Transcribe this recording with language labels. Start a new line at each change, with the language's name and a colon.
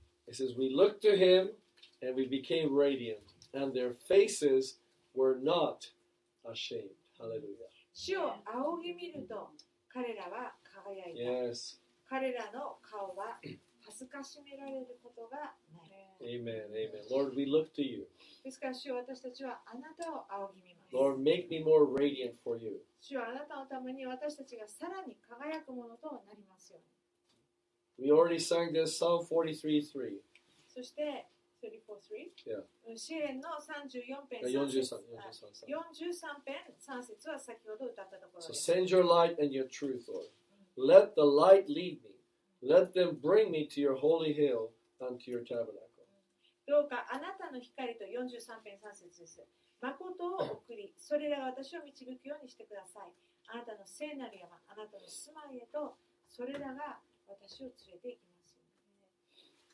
English: It says, We looked to him and we became radiant, and their faces were not ashamed. Hallelujah.
Japanese: 主を仰ぎ見ると彼らは輝いた。
English: Yes.
Japanese: 彼らの顔は恥ずかしめられることがない。
English: Amen, amen. Lord, we look to you.
Japanese: ですから主私たちはあなたを仰ぎ見ます。
English: Lord, make me more radiant for you.
Japanese: 主はあなたのために私たちがさらに輝くものとなりますように。
English: We already sang this Psalm 43:3.
Japanese: そして
English: So send your light and your truth, Lord. Let the light lead me. Let them bring me to your holy hill and to your tabernacle.
Japanese: どうかあなたの光と43編3節です。まことを送り、それらが私を導くようにしてください。あなたの聖なる山、あなたの住まいへと、それらが私を連れて行きます。